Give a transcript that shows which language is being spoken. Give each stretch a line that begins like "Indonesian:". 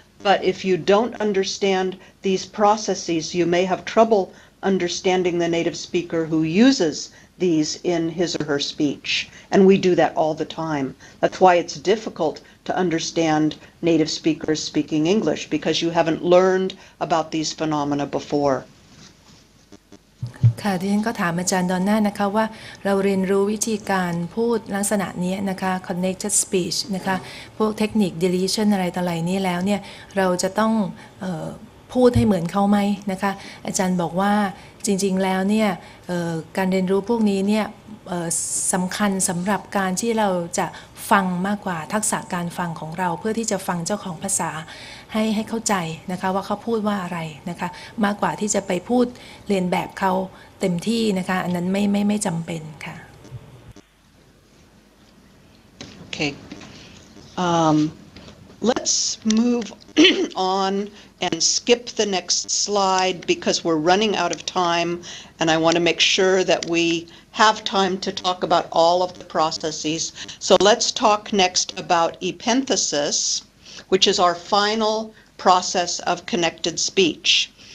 English: But if you don't understand these processes, you may have trouble understanding the native speaker who uses these in his or her speech. And we do that all the time. That's why it's difficult to understand native speakers speaking English, because you haven't learned about these phenomena before.
Thai: ค่ะดิฉันก็ถามอาจารย์ดอนน่านะคะว่าเราเรียนรู้วิธีการพูดลักษณะนี้นะคะ connected speech นะคะพวกเทคนิค deletion อะไรต่ออะไรนี้แล้วเนี่ยเราจะต้อง พูดให้เหมือนเขาไหมนะคะอาจารย์บอกว่าจริงๆแล้วเนี่ยการเรียนรู้พวกนี้เนี่ยสำคัญสำหรับการที่เราจะฟังมากกว่าทักษะการฟังของเราเพื่อที่จะฟังเจ้าของภาษาให้เข้าใจนะคะว่าเขาพูดว่าอะไรนะคะมากกว่าที่จะไปพูดเรียนแบบเขาเต็มที่นะคะอันนั้นไม่จำเป็นค่ะ
English: โอเค let's move on and skip the next slide because we're running out of time and I want to make sure that we have time to talk about all of the processes so let's talk next about epenthesis which is our final process of connected speech